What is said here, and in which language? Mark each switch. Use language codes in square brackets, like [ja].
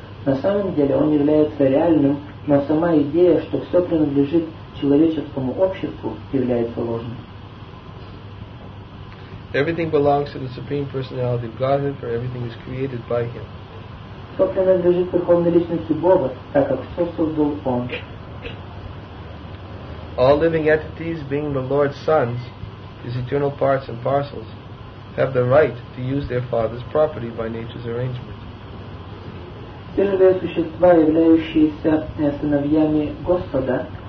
[ru] На самом деле он является реальным, но сама идея, что все принадлежит человеческому обществу, является ложной. [en] Everything belongs to the Supreme Personality of Godhead, for everything is created by Him. [ru] Все принадлежит Верховной Личности Бога, так как все создал Он. [en] All living entities, being the Lord's sons, His eternal parts and parcels, have the right to use their Father's property by nature's arrangement. [ru] Все живые существа, являющиеся сыновьями Господа,